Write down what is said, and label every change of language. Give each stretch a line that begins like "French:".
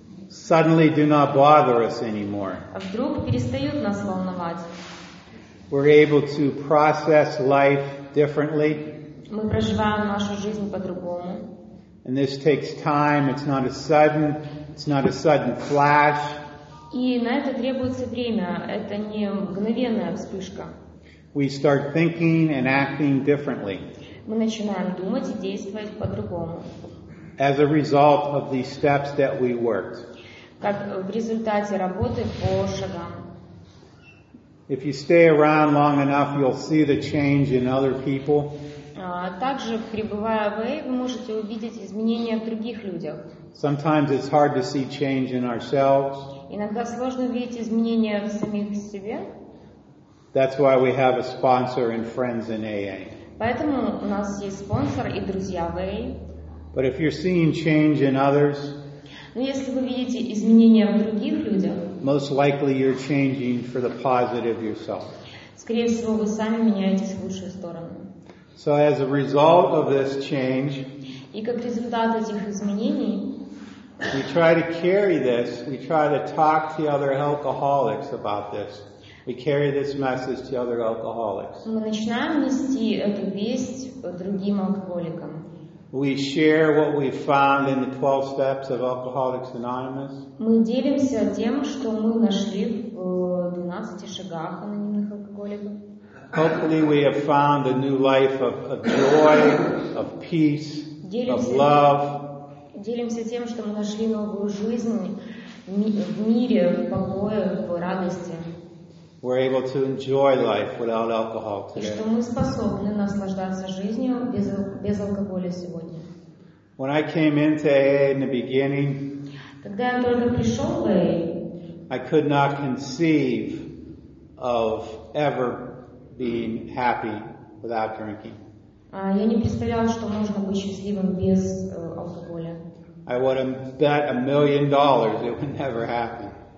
English: Suddenly do not bother us anymore.
Russian: Вдруг перестают нас волновать.
English: We're able to process life differently.
Russian: Мы проживаем нашу жизнь по-другому.
English: And this takes time. It's not a sudden flash.
Russian: И на это требуется время. Это не мгновенная вспышка.
English: We start thinking and acting differently.
Russian: Мы начинаем думать и действовать по-другому.
English: As a result of these steps that we worked.
Russian: Как в результате работы по шагам.
English: If you stay around long enough, you'll see the change in other people.
Russian: Также, пребывая в Эй, вы можете увидеть изменения в других людях.
English: Sometimes it's hard to see change in ourselves.
Russian: Иногда сложно увидеть изменения в самих себе.
English: That's why we have a sponsor and friends in AA.
Russian: Поэтому у нас есть спонсор и друзья в Эй.
English: But if you're seeing change in others,
Russian: но если вы видите изменения в других людях,
English: most likely you're changing for the positive yourself.
Russian: Скорее всего, вы сами меняетесь в лучшую сторону.
English: So as a result of this change,
Russian: и как результат этих изменений,
English: we try to carry this, we try to talk to other alcoholics about this. We carry this message to other alcoholics.
Russian: Мы начинаем нести эту весть другим алкоголикам.
English: We share what we found in the 12 steps of Alcoholics Anonymous.
Russian: Мы делимся тем, что мы нашли в 12 шагах анонимных алкоголиков.
English: Hopefully we have found a new life of joy, of peace, of love.
Russian: Делимся тем, что мы нашли новую жизнь в мире, в покое, в радости.
English: We're able to enjoy life without alcohol today.
Russian: И что мы способны наслаждаться жизнью без алкоголя сегодня.
English: When I came into AA in the beginning,
Russian: когда я только пришел в AA,
English: I could not conceive of ever being happy without drinking.
Russian: Я не представлял, что можно быть счастливым без алкоголя.
English: I would have bet $1,000,000 it would never happen.